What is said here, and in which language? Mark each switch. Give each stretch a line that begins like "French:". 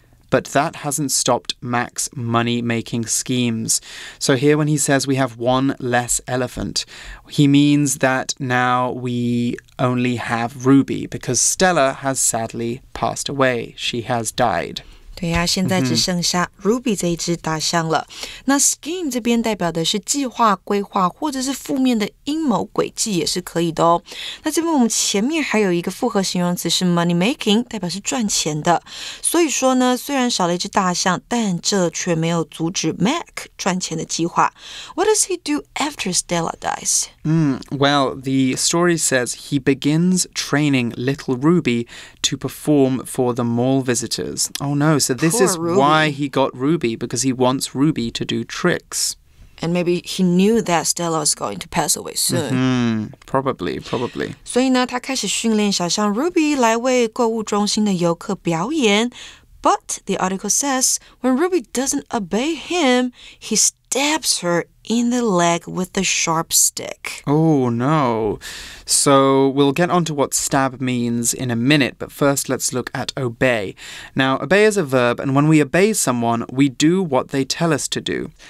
English: But that hasn't stopped Max's money-making schemes. So here when he says we have one less elephant, he means that now we only have Ruby because Stella has sadly passed away. She has died.
Chinese: 对呀、啊，现在只剩下 Ruby 这一只大象了。那 scheme 这边代表的是计划、规划，或者是负面的阴谋诡计也是可以的哦。那这边我们前面还有一个复合形容词是 money making， 代表是赚钱的。所以说呢，虽然少了一只大象，但这却没有阻止 Mac 赚钱的计划。
English: What does he do after Stella dies? Well, the story says he begins training little Ruby to perform for the mall visitors. Oh no. So this Poor is、 Ruby. Why he got Ruby, because he wants Ruby to do tricks. And maybe he knew that Stella was going to pass away soon. Probably.
Chinese: 所以呢，他开始训练小象 Ruby 来为购物中心的游客表演。
English: But the article says, when Ruby doesn't obey him, he stabs her in the leg with a sharp stick. Oh, no. So we'll get onto what stab means in a minute, but first let's look at obey. Now, obey is a verb, and when we obey someone, we do what they tell us to do.